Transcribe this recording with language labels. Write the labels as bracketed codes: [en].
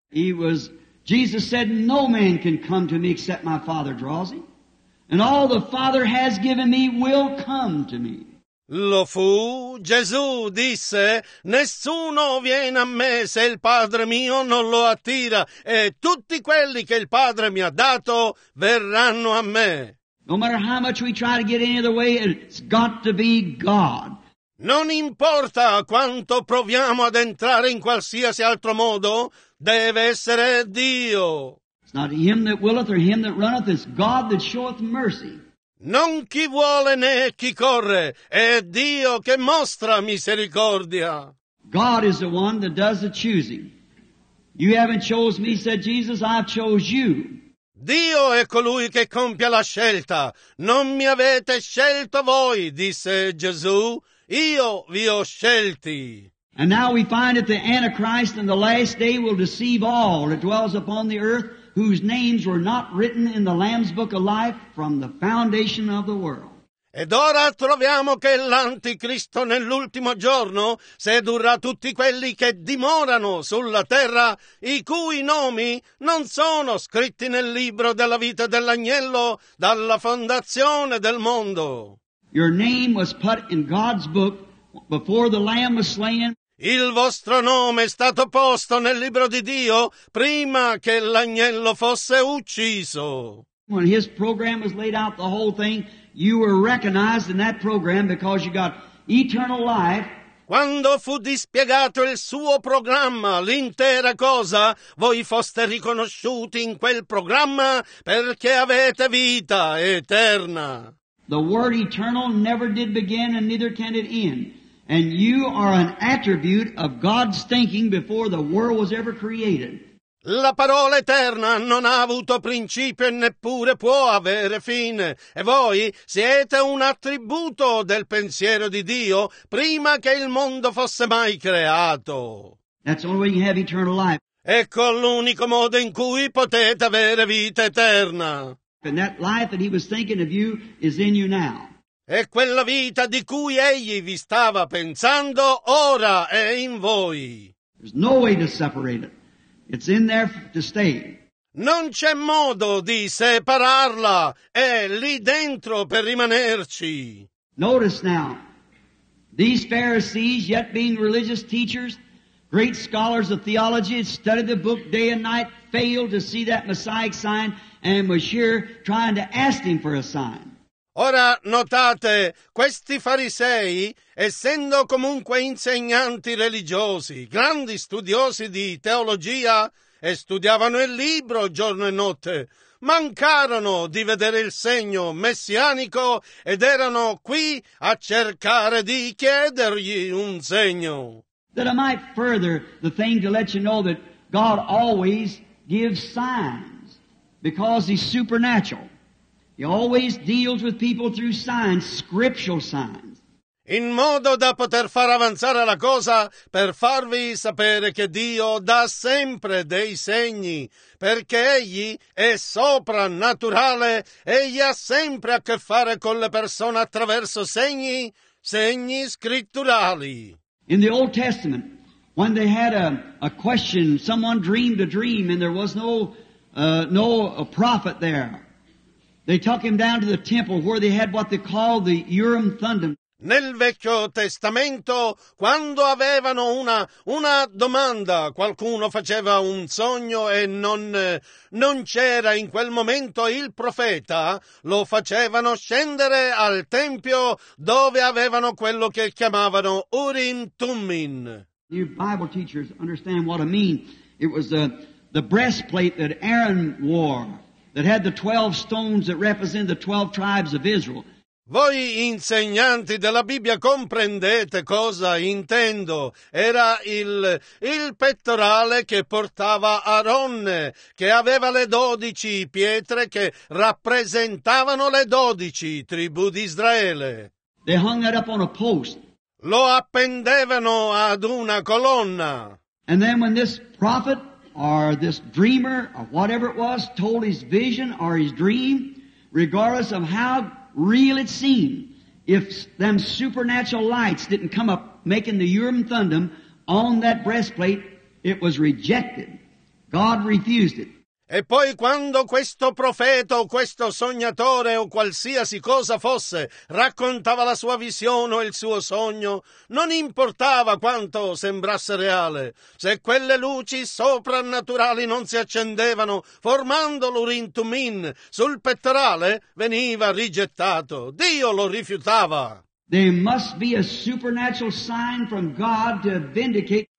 [en] Jesus said, no man can come to me except my Father draws him. And all the Father has given me will come to me. [it] Lo fu, Gesù disse, nessuno viene a me se il Padre mio non lo attira, e tutti quelli che il Padre mi ha dato verranno a me. [en] No matter how much we try to get any other way, it's got to be God. [it] Non importa quanto proviamo ad entrare in qualsiasi altro modo, deve essere Dio. [en] It's not him that willeth or him that runneth, it's God that showeth mercy. [it] Non chi vuole né chi corre, è Dio che mostra misericordia. [en] God is the one that does the choosing. You haven't chose me, said Jesus, I've chose you. [it] Dio è colui che compie la scelta. Non mi avete scelto voi, disse Gesù, io vi ho scelti. [en] And now we find that the Antichrist in the last day will deceive all that dwells upon the earth, whose names were not written in the Lamb's Book of Life from the foundation of the world. [it] Ed ora troviamo che l'Anticristo nell'ultimo giorno sedurrà tutti quelli che dimorano sulla terra, i cui nomi non sono scritti nel libro della vita dell'agnello dalla fondazione del mondo. [en] Your name was put in God's book before the Lamb was slain. [it] Il vostro nome è stato posto nel libro di Dio prima che l'agnello fosse ucciso. [en] When his program was laid out, the whole thing, you were recognized in that program because you got eternal life. [it] Quando fu dispiegato il suo programma, l'intera cosa, voi foste riconosciuti in quel programma perché avete vita eterna. [en] The word eternal never did begin and neither can it end. And you are an attribute of God's thinking before the world was ever created. [it] La parola eterna non ha avuto principio e neppure può avere fine. E voi siete un attributo del pensiero di Dio prima che il mondo fosse mai creato. [en] That's the only way you have eternal life. [it] Ecco l'unico modo in cui potete avere vita eterna. [en] And that life that he was thinking of you is in you now. [it] E quella vita di cui egli vi stava pensando ora è in voi. [en] There's no way to separate it. It's in there to stay. [it] Non c'è modo di separarla. È lì dentro per rimanerci. [en] Notice now, these Pharisees, yet being religious teachers, great scholars of theology, studied the book day and night, failed to see that Messiah sign, and was here trying to ask him for a sign. [it] Ora notate, questi farisei, essendo comunque insegnanti religiosi, grandi studiosi di teologia, e studiavano il libro giorno e notte, mancarono di vedere il segno messianico ed erano qui a cercare di chiedergli un segno. [en] That I might further the thing to let you know that God always gives signs because he's supernatural. He always deals with people through signs, scriptural signs. [it] In modo da poter far avanzare la cosa, per farvi sapere che Dio dà sempre dei segni, perché egli è soprannaturale, egli ha sempre a che fare con le persone attraverso segni, segni scritturali. [en] In the Old Testament, when they had a question, someone dreamed a dream and there was no prophet there. They took him down to the temple where they had what they called the Urim Thummim. [it] Nel Vecchio Testamento, quando avevano una domanda, qualcuno faceva un sogno e non c'era in quel momento il profeta, lo facevano scendere al tempio dove avevano quello che chiamavano Urim Thummim. [en] You Bible teachers understand what I mean. It was the breastplate that Aaron wore. That had the 12 stones that represent the 12 tribes of Israel. [it] Voi insegnanti della Bibbia comprendete cosa intendo. Era il pettorale che portava Aronne, che aveva le 12 pietre che rappresentavano le 12 tribù di Israele. [en] They hung that up on a post. [it] Lo appendevano ad una colonna. [en] And then when this prophet or this dreamer, or whatever it was, told his vision or his dream, regardless of how real it seemed, if them supernatural lights didn't come up making the Urim Thummim on that breastplate, it was rejected. God refused it. [it] E poi quando questo profeta o questo sognatore o qualsiasi cosa fosse raccontava la sua visione o il suo sogno, non importava quanto sembrasse reale, se quelle luci soprannaturali non si accendevano, formando l'Urim Tumim sul pettorale, veniva rigettato. Dio lo rifiutava. [en] There must be a supernatural sign from God to vindicate.